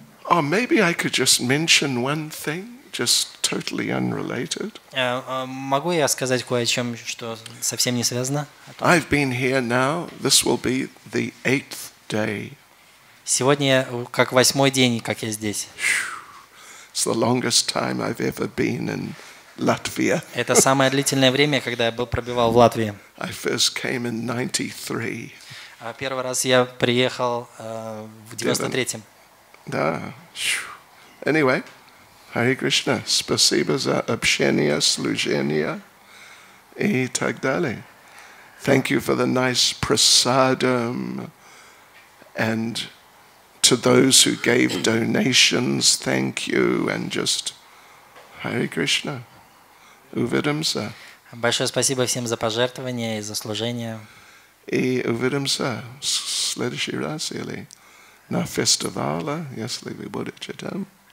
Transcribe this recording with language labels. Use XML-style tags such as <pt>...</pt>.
<en>Oh, maybe I could just mention one thing, just totally unrelated.</en> <ru>Могу я сказать кое о чем, что совсем не связано?</ru> <en>I've been here now. This will be the 8th day.</en> <ru>Сегодня как восьмой день, как я здесь.</ru> <en>It's the longest time I've ever been in Latvia.</en> <ru>Это самое длительное время, когда я был пробивал в Латвии.</ru> <en>I first came in 93.</en> <ru>А первый раз я приехал в 93-м. Да.</ru> <en>Anyway,</en> <ru>Hare Krishna, спасибо за общение, служение и так далее.</ru> <en>Thank you for the nice prasadam and to those who gave donations, thank you and just Hare Krishna.</en> <ru>Увидимся. Большое спасибо всем за пожертвования и за служение. И увидимся в следующий раз или на фестивале, если вы будете там.</ru>